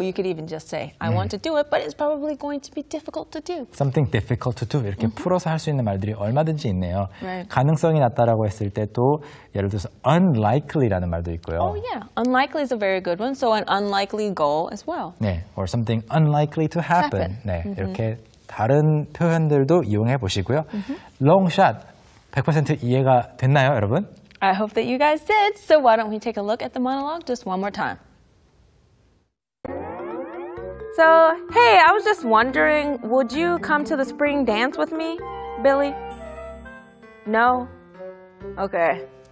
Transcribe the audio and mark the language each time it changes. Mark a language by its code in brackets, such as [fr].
[en] You could even just say, I want to do it, but it's probably going to be difficult to do. Something difficult to do. 이렇게 mm-hmm. [ko] 풀어서 할 수 있는 말들이 얼마든지 있네요. [en] Right. [ko] 가능성이 낮다라고 했을 때 또 예를 들어서 unlikely라는 말도 있고요. [en] Oh, yeah. Unlikely is a very good one. So an unlikely goal as well. 네. Or something unlikely to happen. 네. Mm-hmm. [ko] 이렇게 다른 표현들도 이용해 보시고요. Mm-hmm. [en] Long shot. [ko] 100% 이해가 됐나요, 여러분? [en] I hope that you guys did. So why don't we take a look at the monologue just one more time. So, hey, I was just wondering, would you come to the spring dance with me, Billy? No? Okay.